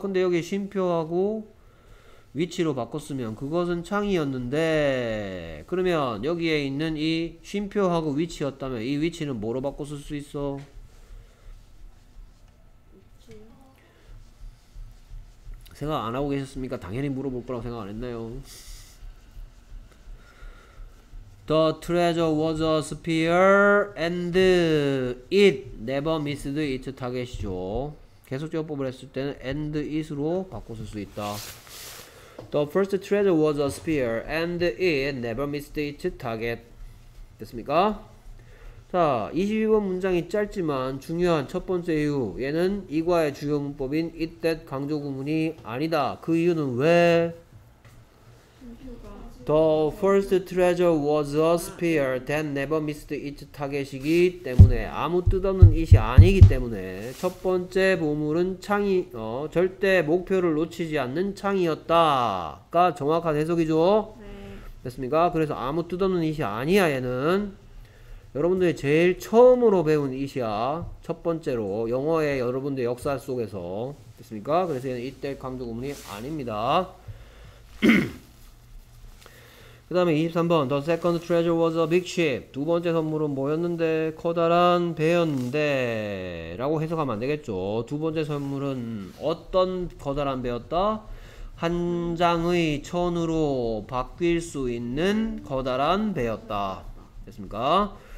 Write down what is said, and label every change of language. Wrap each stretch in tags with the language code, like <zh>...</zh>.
<ko>근데 여기 쉼표하고 위치로 바꿨으면 그것은 창이었는데 그러면 여기에 있는 이 쉼표하고 위치였다면 이 위치는 뭐로 바꿨을 수 있어? 생각 안 하고 계셨습니까? 당연히 물어볼 거라고 생각 안 했나요?</ko> <en>The treasure was a spear and it never missed its target이죠.</en> <ko>계속적법을 했을 때는 and it으로 바꿨을 수 있다.</ko> <en>The first treasure was a spear and it never missed its target.</en> <ko>됐습니까? 자, 22번 문장이 짧지만 중요한 첫 번째 이유. 얘는 이과의 주요 문법인 it, that 강조 구문이 아니다. 그 이유는 왜?</ko> <en>The first treasure was a spear that never missed its target</en> <ko>이기 때문에 아무 뜻 없는 it이 아니기 때문에 첫 번째 보물은 창이 절대 목표를 놓치지 않는 창이었다가 정확한 해석이죠? 네. 됐습니까? 그래서 아무 뜻 없는 it이 아니야 얘는. 여러분들이 제일 처음으로 배운 이시야. 첫 번째로 영어의 여러분들 역사 속에서 됐습니까? 그래서 얘는 이때 강조 구문이 아닙니다. 그 다음에 23번</ko> <en>The second treasure was a big ship.</en> <ko>두 번째 선물은 뭐였는데? 커다란 배였는데 라고 해석하면 안 되겠죠. 두 번째 선물은 어떤 커다란 배였다? 한 장의 천으로 바뀔 수 있는 커다란 배였다. 됐습니까?</ko>